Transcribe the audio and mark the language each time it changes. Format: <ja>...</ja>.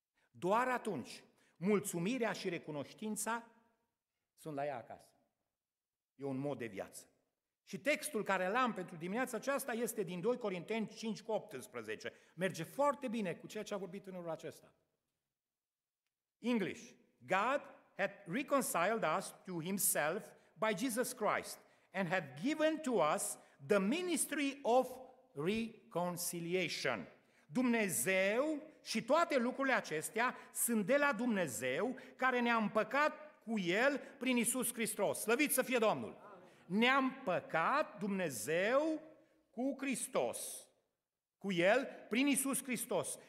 <ro>Doar atunci, mulțumirea și recunoștința sunt la ea acasă. E un mod de viață. Și textul care l-am pentru dimineața aceasta este din 2 Corinteni 5 cu 18. Merge foarte bine cu ceea ce a vorbit în urmă acesta.</ro> <en>English. God had reconciled us to himself by Jesus Christ and had given to us the ministry of reconciliation.</en> <ro>Dumnezeu și toate lucrurile acestea sunt de la Dumnezeu care ne-a împăcat cu El prin Iisus Hristos. Slăvit să fie Domnul! Ne-a împăcat Dumnezeu cu Hristos, cu El, prin Iisus Hristos.</ro>